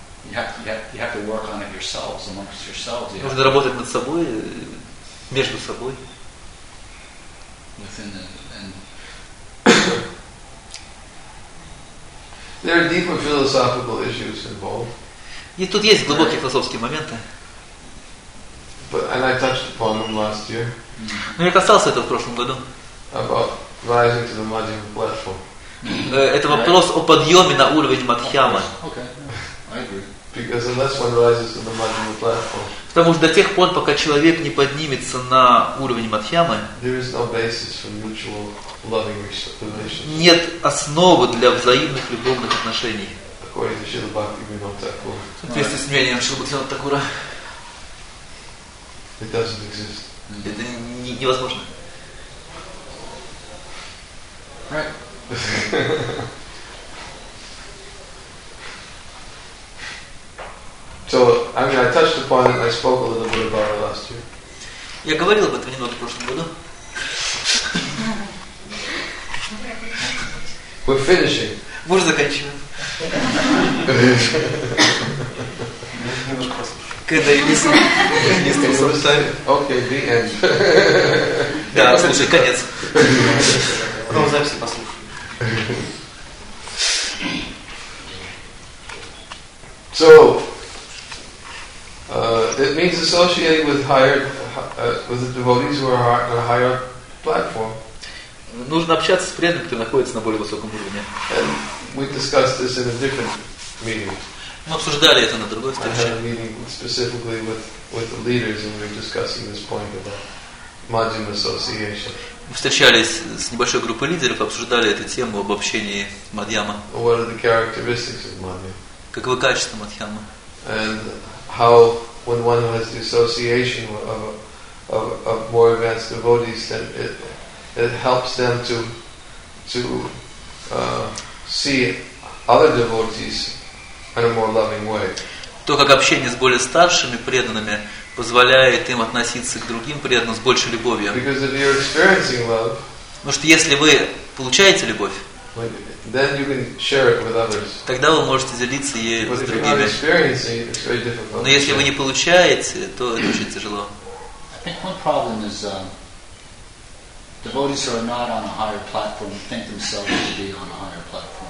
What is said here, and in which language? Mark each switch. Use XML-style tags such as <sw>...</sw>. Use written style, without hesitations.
<en>You have to work on it yourselves, amongst yourselves. You</en> <ru>нужно работать над собой, между собой.</ru> <en>Within the, and there are deeper philosophical issues involved.</en> <ru>И тут есть глубокие философские моменты.</ru> <en>But, and I touched upon them last year.</en> <ru>Но я касался этого в прошлом году.</ru> <en>About rising to the Madhyama platform.</en> <ru>Это вопрос о подъеме на уровень Мадхьямы.</ru> <en>Okay. Yeah. I agree. Because unless one rises to the Madhyama platform.</en> <ru>Потому что до тех пор, пока человек не поднимется на уровень Мадхьямы,</ru> <en>there is no basis for mutual loving relationships.</en> <ru>Нет основы для взаимных любовных отношений.</ru> <en>According to Śrīla Bhaktivinoda Thakura.</en> <ru>В соответствии с мнением Śrīla Bhaktivinoda Thakura.</ru> <en>It doesn't exist.</en> <ru>Это невозможно.</ru> <en>Right. So, I mean, I touched upon it, I spoke a little bit about it last year.</en> <ru>Я говорил об этом немного в прошлом году.</ru> <en>We're finishing.</en> <ru>Мы уже заканчиваем. Когда я не слышал.</ru> <en>Okay, the end.</en> <ru>Да, слушай, конец. Потом записи послушаем.</ru> <en>So, it means associating with higher, with the devotees who are on a higher platform.</en> <ru>Нужно общаться с преданными, которые находятся на более высоком уровне.</ru> <en>And we discussed this in a different meeting.</en> <ru>Мы обсуждали это на другой встрече.</ru> <en>I had a meeting specifically with the leaders, and we were discussing this point about Madhyama association.</en> <ru>Мы встречались с небольшой группой лидеров, обсуждали эту тему об общении с Мадьяма.</ru> <en>What are the characteristics of Madhyama?</en> <ru>Каковы качества Мадхьямы?</ru> <en>And how, when one has the association of more advanced devotees, then it helps them to see other devotees in a more loving way.</en> <ru>То, как общение с более старшими преданными позволяет им относиться к другим преданным с большей любовью.</ru> <en>Because if you're experiencing love,</en> <ru>потому что если вы получаете любовь,</ru> <en>then you can share it with others.</en> <ru>Тогда вы можете делиться ею</ru> <en>But</en> <ru>с другими.</ru> <en>If you're not experiencing, it's very difficult.</en> <ru>Но если вы не получаете, то это очень тяжело.</ru> <en>I think one problem is devotees who are not on a higher platform think themselves to be on a higher platform.</en>